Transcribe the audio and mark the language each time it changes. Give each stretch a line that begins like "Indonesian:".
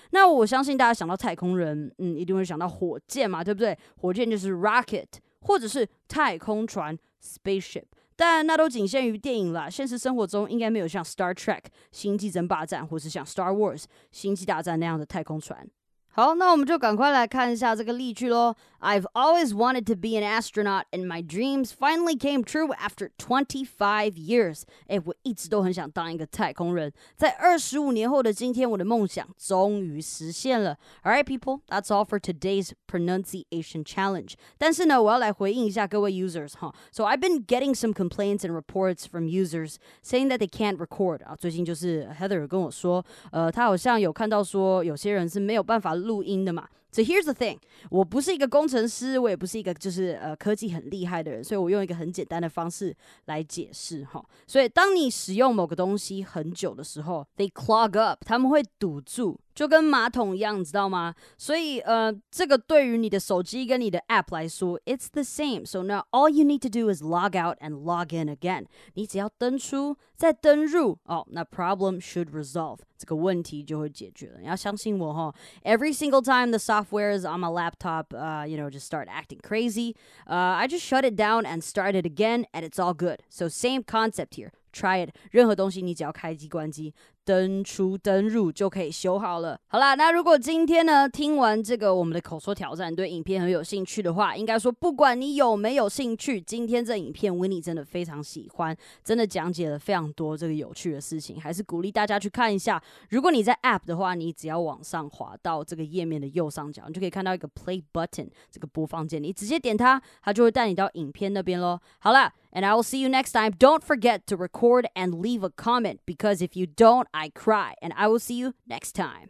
Chinese: 那我相信大家想到太空人，一定会想到火箭嘛，对不对？火箭就是 rocket， 或者是太空船 spaceship。但那都仅限于电影啦，现实生活中应该没有像 Star Trek 星际争霸战，或是像 Star Wars 星际大战那样的太空船。好，那我们就赶快来看一下这个例句咯。
English: I've always wanted to be an astronaut and my dreams finally came true after 25 years.
Chinese: 诶，我一直都很想当一个太空人。在25年后的今天，我的梦想终于实现了。
English: All right, people, that's all for today's pronunciation challenge.
Chinese: 但是呢，我要来回应一下各位 users, 哈。
English: So I've been getting some complaints and reports from users saying that they can't record.
Chinese: 啊，最近就是 Heather 跟我说，她好像有看到说有些人是没有办法录音的嘛。
English: So here's the thing，
Chinese: 我不是一个工程师，我也不是一个就是科技很厉害的人，所以我用一个很简单的方式来解释哈。所以当你使用某个东西很久的时候 ，
English: they clog up，
Chinese: 他们会堵住，就跟马桶一样，知道吗？所以这个对于你的手机跟你的 app 来说 ，
English: it's the same。 So now all you need to do is log out and log in again。
Chinese: 你只要登出再登入哦，那
English: problem should resolve，
Chinese: 这个问题就会解决了。你要相信我哈 ，
English: every single time the software is on my laptop, just start acting crazy. I just shut it down and start it again, and it's all good. So same concept here. Try it.
Chinese: 任何东西你只要开机关机，登出登入就可以修好了。好啦，那如果今天呢听完这个我们的口说挑战对影片很有兴趣的话，应该说不管你有没有兴趣，今天这影片 Winnie 真的非常喜欢，真的讲解了非常多这个有趣的事情，还是鼓励大家去看一下。如果你在 App 的话，你只要往上滑到这个页面的右上角，你就可以看到一个 Play Button 这个播放键，你直接点它，它就会带你到影片那边咯。好啦，
English: And I will see you next time. Don't forget to record and leave a comment, because if you don't, I cry, and I will see you next time.